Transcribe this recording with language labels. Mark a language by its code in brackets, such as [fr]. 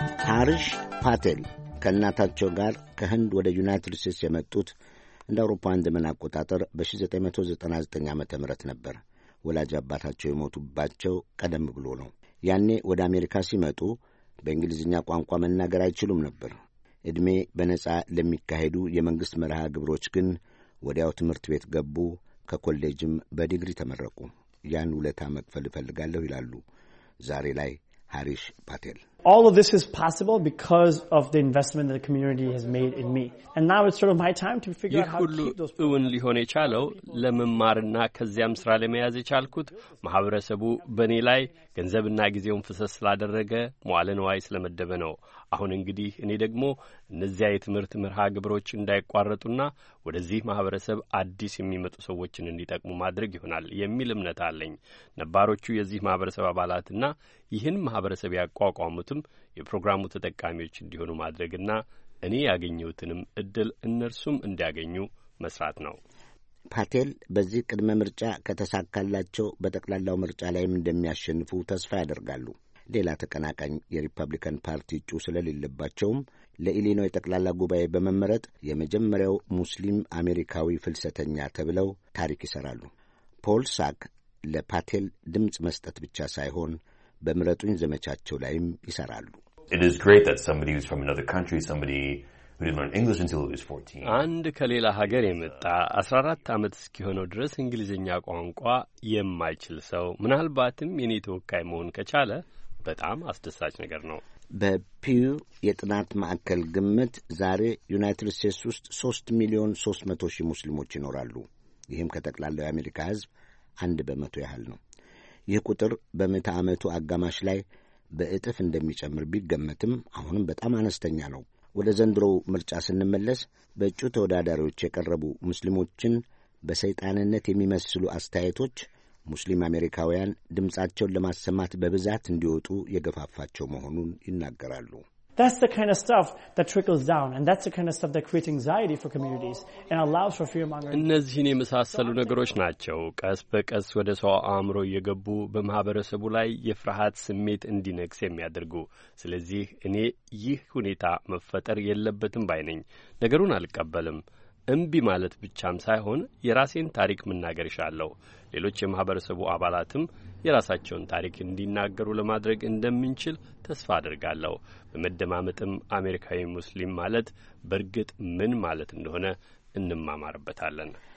[am] ሃሪሽ ፓቴል ከእናታቸው ጋር ከህንድ ወደ ዩናይትድ ስቴትስ የመጡት እንደ አውሮፓውያን ዘመን አቆጣጠር በ1999 ዓ ም ነበር። ወላጅ አባታቸው የሞቱባቸው ቀደም ብሎ ነው። ያኔ ወደ አሜሪካ ሲመጡ በእንግሊዝኛ ቋንቋ መናገር አይችሉም ነበር። ዕድሜ በነጻ ለሚካሄዱ የመንግሥት መርሃ ግብሮች ግን ወዲያው ትምህርት ቤት ገቡ። ከኮሌጅም በዲግሪ ተመረቁ። ያን ውለታ መክፈል እፈልጋለሁ ይላሉ ዛሬ ላይ ሃሪሽ ፓቴል። [en] All of this is possible because of the investment that the community has made in me. And now it's sort of my time to figure out how to keep those people. [am] ይሁን ሊሆን የቻለው ለመማርና ከዚያም ስራ ለመያዝ የቻልኩት ማህበረሰቡ በኔ ላይ ገንዘብና ጊዜውን ፍሰስ ስላደረገ መዋለ ንዋይ ስለመደበ ነው። አሁን እንግዲህ እኔ ደግሞ እነዚያ የትምህርት መርሃ ግብሮች እንዳይቋረጡና ወደዚህ ማህበረሰብ አዲስ የሚመጡ ሰዎችን እንዲጠቅሙ ማድረግ ይሆናል የሚል እምነት አለኝ። ነባሮቹ የዚህ ማህበረሰብ አባላትና ይህን ማህበረሰብ ያቋቋሙትም የፕሮግራሙ ተጠቃሚዎች እንዲሆኑ ማድረግና እኔ ያገኘሁትንም እድል እነርሱም እንዲያገኙ መስራት ነው። ፓቴል በዚህ ቅድመ ምርጫ ከተሳካላቸው በጠቅላላው ምርጫ ላይም እንደሚያሸንፉ ተስፋ ያደርጋሉ። ሌላ ተቀናቃኝ የሪፐብሊካን ፓርቲ እጩ ስለሌለባቸውም ለኢሊኖይ ጠቅላላ ጉባኤ በመመረጥ የመጀመሪያው ሙስሊም አሜሪካዊ ፍልሰተኛ ተብለው ታሪክ ይሰራሉ። ፖል ሳክ ለፓቴል ድምፅ መስጠት ብቻ ሳይሆን በምረጡኝ ዘመቻቸው ላይም ይሰራሉ። [en] It is great that somebody who's from another country, somebody who didn't learn English until he was 14. [am] አንድ ከሌላ ሀገር የመጣ 14 ዓመት እስኪሆነው ድረስ እንግሊዝኛ ቋንቋ የማይችል ሰው ምናልባትም የኔ ተወካይ መሆን ከቻለ በጣም አስደሳች ነገር ነው። በፒው የጥናት ማዕከል ግምት ዛሬ ዩናይትድ ስቴትስ ውስጥ 3 ሚሊዮን 300 ሺህ ሙስሊሞች ይኖራሉ። ይህም ከጠቅላላው የአሜሪካ ሕዝብ 1% ያህል ነው። ይህ ቁጥር በምዕተ ዓመቱ አጋማሽ ላይ በእጥፍ እንደሚጨምር ቢገመትም አሁንም በጣም አነስተኛ ነው። ወደ ዘንድሮው ምርጫ ስንመለስ በእጩ ተወዳዳሪዎች የቀረቡ ሙስሊሞችን በሰይጣንነት የሚመስሉ አስተያየቶች ሙስሊም አሜሪካውያን ድምጻቸውን ለማሰማት በብዛት እንዲወጡ የገፋፋቸው መሆኑን ይናገራሉ። [en] That's the kind of stuff that trickles down and that's the kind of stuff that creates anxiety for communities and allows for fearmongering. [am] እነዚህን የመሳሰሉ ነገሮች ናቸው ቀስ በቀስ ወደ ሰው አእምሮ የገቡ በማህበረሰቡ ላይ የፍርሃት ስሜት እንዲነግስ የሚያደርጉ። ስለዚህ እኔ ይህ ሁኔታ መፈጠር የለበትም ባይ ነኝ። ነገሩን አልቀበልም። እንቢ ማለት ብቻም ሳይሆን የራሴን ታሪክ መናገር ይሻላል። ሌሎች የማህበረሰቡ አባላትም የራሳቸውን ታሪክ እንዲናገሩ ለማድረግ እንደምንችል ተስፋ አድርጋለሁ። በመደማመጥም አሜሪካዊ ሙስሊም ማለት በርግጥ ምን ማለት እንደሆነ እንማማርበታለን።